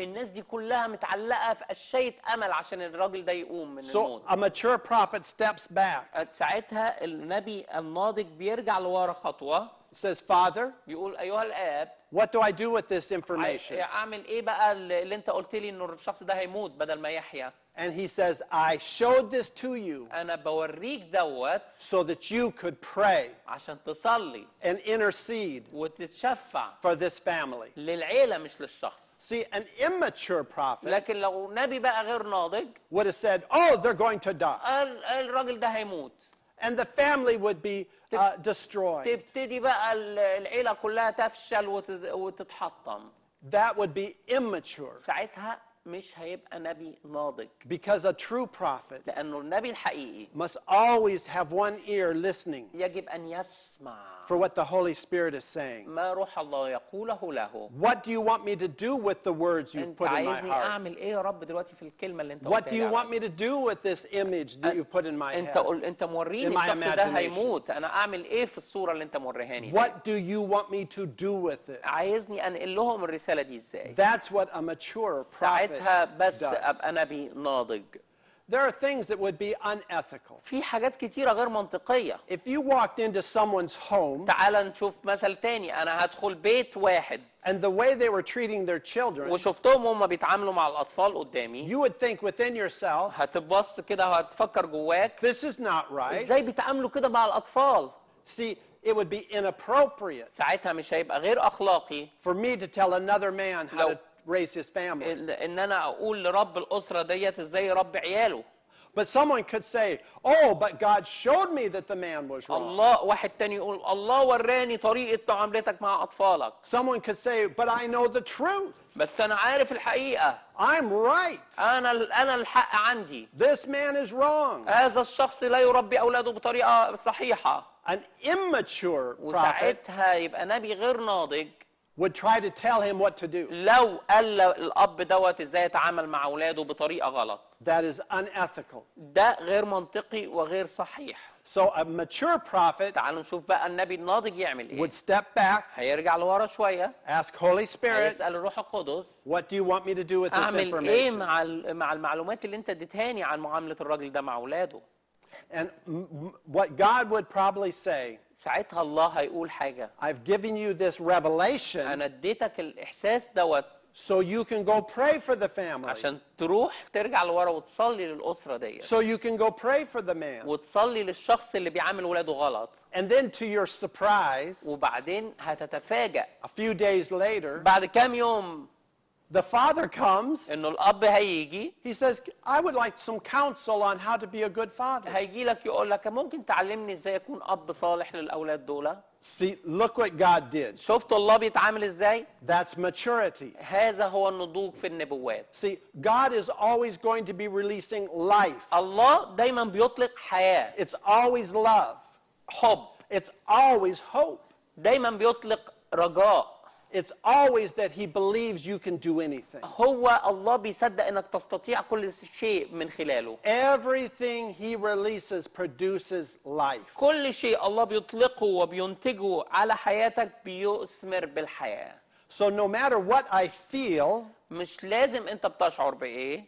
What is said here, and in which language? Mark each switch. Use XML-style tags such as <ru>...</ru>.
<ar>الناس دي كلها متعلقة في أشياء أمل عشان الراجل ده يقوم من</ar> <en>so</en> <ar>الموت.</ar> <en>So a mature prophet steps back.</en> <ar>ساعتها النبي الناضج بيرجع لورا خطوة.</ar> <en>Says Father.</en> <ar>بيقول أيها الآب.</ar> <en>What do I do with this information?</en> <ar>أعمل إيه بقى اللي أنت قلت لي إنه الشخص ده هيموت بدل ما يحيا.</ar> <en>And he says, "I showed this to you."</en> <ar>أنا بوريك دوت.</ar> <en>So that you could pray.</en> <ar>عشان تصلي.</ar> <en>And intercede.</en> <ar>وتتشفع.</ar> <en>For this family.</en> <ar>للعيلة مش للشخص.</ar> <en>See, an immature prophet.</en> <ar>لكن لو نبي بقى غير ناضج.</ar> <en>Would have said, "Oh, they're going to die."</en> <ar>الراجل ده هيموت.</ar> <en>And the family would be destroyed.</en> <ar>تبتدي بقى العيلة كلها تفشل وتتحطم.</ar> <en>That would be immature.</en> <ar>ساعتها مش هيبقى نبي ناضج.</ar> <en>Because a true prophet</en> <ar>لأنه النبي الحقيقي</ar> <en>must always have one ear listening</en> <ar>يجب أن يسمع</ar> <en>for what the Holy Spirit is saying.</en> <ar>ما روح الله يقوله له.</ar> <en>What do you want me to do with the words you've put in my heart?</en> <ar>أنت عايزني أعمل إيه يا رب دلوقتي في الكلمة اللي أنت قلتها.</ar> <en>What do you want me to do with this image that you've put in my head?</en> <ar>أنت موريني الشخص ده هيموت. أنا أعمل إيه في الصورة اللي أنت موريهاني.</ar> <en>What do you want me to do with it?</en> <ar>عايزني أنقل لهم الرسالة دي إزاي.</ar> <en>That's what a mature prophet</en> <ar>بس أبقى نبي ناضج.</ar> <en>There are things that would be unethical.</en> <ar>في حاجات كتيرة غير منطقية.</ar> <en>If you walked into someone's home.</en> <ar>تعال نشوف مثل تاني. أنا هدخل بيت واحد.</ar> <en>And the way they were treating their children.</en> <ar>وشفتهم هما بيتعاملوا مع الأطفال قدامي.</ar> <en>You would think within yourself.</en> <ar>هتبص كده وهتفكر جواك.</ar> <en>This is not right.</en> <ar>إزاي بيتعاملوا كده مع الأطفال.</ar> <en>See, it would be inappropriate.</en> <ar>ساعتها مش هيبقى غير أخلاقي.</ar> <en>For me to tell another man how to raise his family.</en> <ar>إن أنا أقول لرب الأسرة ديت إزاي رب عياله.</ar> <en>But someone could say, "Oh, but God showed me that the man was wrong."</en> <ar>الله واحد تاني يقول الله وراني طريقة تعاملتك مع أطفالك.</ar> <en>Someone could say, "But I know the truth."</en> <ar>بس أنا عارف الحقيقة.</ar> <en>I'm right.</en> <ar>أنا الحق عندي.</ar> <en>This man is wrong.</en> <ar>هذا الشخص لا يربي أولاده بطريقة صحيحة.</ar> <en>An immature prophet.</en> <ar>وساعتها يبقى نبي غير ناضج.</ar> <en>Would try to tell him what to do.</en> <ar>لو قال الأب دوت إزاي يتعامل مع أولاده بطريقة غلط.</ar> <en>That is unethical.</en> <ar>ده غير منطقي وغير صحيح.</ar> <en>So a mature prophet.</en> <ar>تعال نشوف بقى النبي الناضج يعمل إيه.</ar> <en>Would step back.</en> <ar>هيرجع لورا شوية.</ar> <en>Ask Holy Spirit.</en> <ar>هيسأل الروح القدس.</ar> <en>What do you want me to do with this information?</en> <ar>أعمل إيه مع المعلومات اللي أنت اديتهاني عن معاملة الرجل ده مع أولاده.</ar> <en>And what God would probably say.</en> <ar>ساعتها الله هيقول حاجة.</ar> <en>I've given you this revelation.</en> <ar>أنا اديتك الإحساس دوت.</ar> <en>So you can go pray for the family.</en> <ar>عشان تروح ترجع لورا وتصلي للأسرة ديت.</ar> <en>So you can go pray for the man.</en> <ar>وتصلي للشخص اللي بيعامل ولاده غلط.</ar> <en>And then to your surprise.</en> <ar>وبعدين هتتفاجأ.</ar> <en>A few days later.</en> <ar>بعد كام يوم.</ar> <en>The father comes.</en> <ar>إنه الأب هيجي.</ar> <en>He says, "I would like some counsel on how to be a good father."</en> <ar>هيجي لك يقول لك ممكن تعلمني إزاي أكون أب صالح للأولاد دولة.</ar> <en>See, look what God did.</en> <ar>شفت الله بيتعامل إزاي؟</ar> <en>That's maturity.</en> <ar>هذا هو النضوج في النبوات.</ar> <en>See, God is always going to be releasing life.</en> <ar>الله دائما بيطلق حياة.</ar> <en>It's always love.</en> <ar>حب.</ar> <en>It's always hope.</en> <ar>دائما بيطلق رجاء.</ar> <en>It's always that he believes you can do anything.</en> <ar>هو الله بيصدق انك تستطيع كل شيء من خلاله.</ar> <en>Everything he releases produces life.</en> <ar>كل شيء الله بيطلقه وبينتجه على حياتك بيثمر بالحياة.</ar> <en>So no matter what I feel,</en> <ar>مش لازم انت بتشعر بايه.</ar>